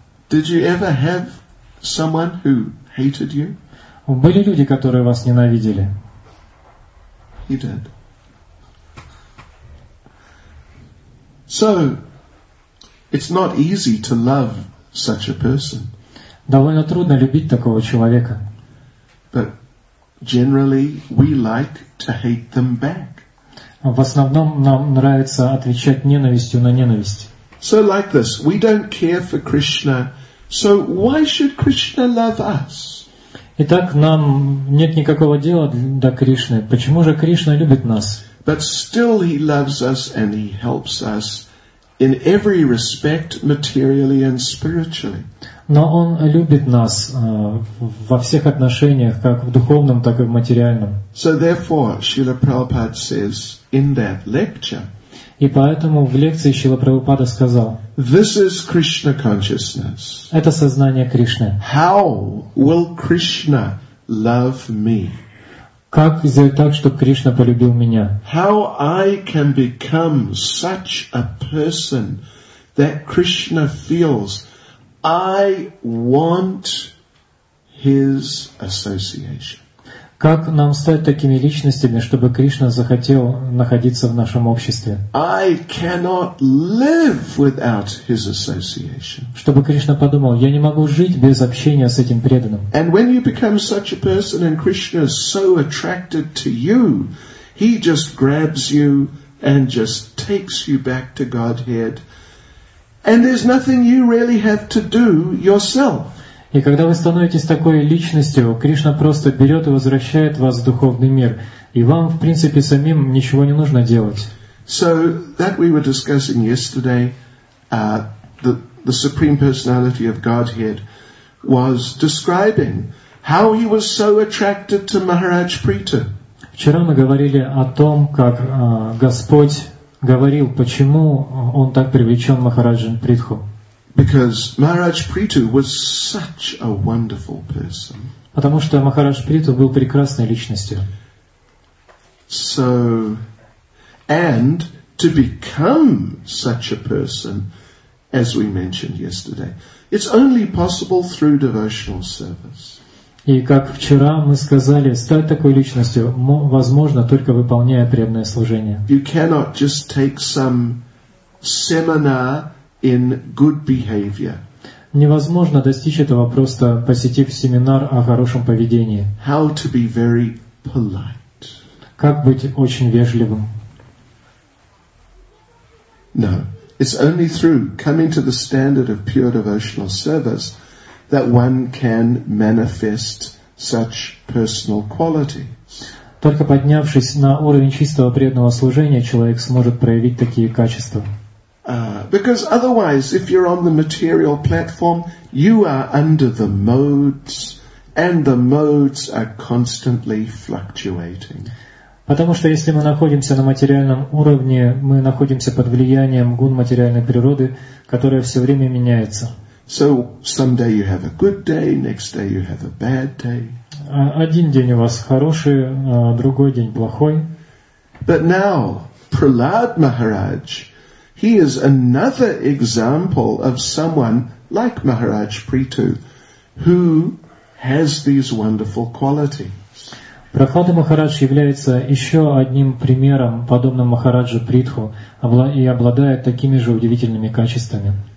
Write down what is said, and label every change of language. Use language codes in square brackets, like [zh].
[en] Did you ever have someone who hated you? [ru] Были люди, которые вас ненавидели? [en] He did. So, it's not easy to love such a person. [ru] Довольно трудно любить такого человека. [en] But generally, we like to hate them back. [ru] В основном нам нравится отвечать ненавистью на ненависть. [en] So like this, we don't care for Krishna, so why should Krishna love us? [ru] Итак, нам нет никакого дела до Кришны. Почему же Кришна любит нас? [en] But still, he loves us and he helps us in every respect, materially and spiritually. [ru] Но он любит нас во всех отношениях, как в духовном, так и в материальном. [en] So therefore, Srila Prabhupada says in that lecture. [ru] И поэтому в лекции Шрила Прабхупада сказал: [en] This is Krishna consciousness. [ru] Это сознание Кришны. [en] How will Krishna love me? [ru] Как сделать так, чтобы Кришна полюбил меня? [en] How I can become such a person that Krishna feels I want his association. [ru] Как нам стать такими личностями, чтобы Кришна захотел находиться в нашем обществе? [en] I cannot live without his association. [ru] Чтобы Кришна подумал: я не могу жить без общения с этим преданным. [en] And when you become such a person and Krishna is so attracted to you, he just grabs you and just takes you back to Godhead. And there's nothing you really have to do yourself. [ru] И когда вы становитесь такой личностью, Кришна просто берет и возвращает вас в духовный мир. И вам, в принципе, самим ничего не нужно делать. [en] So, that we were discussing yesterday, the Supreme Personality of Godhead was describing how he was so attracted to Maharaj Prita. [ru] Вчера мы говорили о том, как Господь говорил, почему он так привлечен Махараджан Притху. [en] Because Maharaj Prithu was such a wonderful person. [ru] Потому что Махарадж Притху был прекрасной личностью. [en] So, and to become such a person, as we mentioned yesterday, it's only possible through devotional service. [ru] И как вчера мы сказали, стать такой личностью возможно только выполняя преданное служение. [en] You cannot just take some seminar in good behavior. [ru] Невозможно достичь этого, просто посетив семинар о хорошем поведении. [en] How to be very polite. [ru] Как быть очень вежливым? [en] No. It's only through coming to the standard of pure devotional service that one can manifest such personal qualities. [ru] Только поднявшись на уровень чистого преданного служения, человек сможет проявить такие качества. [en] Because otherwise, if you're on the material platform, you are under the modes, and the modes are constantly fluctuating. [ru] Потому что если мы находимся на материальном уровне, мы находимся под влиянием гун материальной природы, которая все время меняется. [en] So some day you have a good day, next day you have a bad day. [ru] Один день у вас хороший, другой день плохой. [en] But now, Prahlad Maharaj. He is another example of someone like Maharaj Prithu, who has these wonderful qualities. [ru] Прахлада Махарадж является еще одним примером, подобным Махараджу Притху, и обладает такими же удивительными качествами.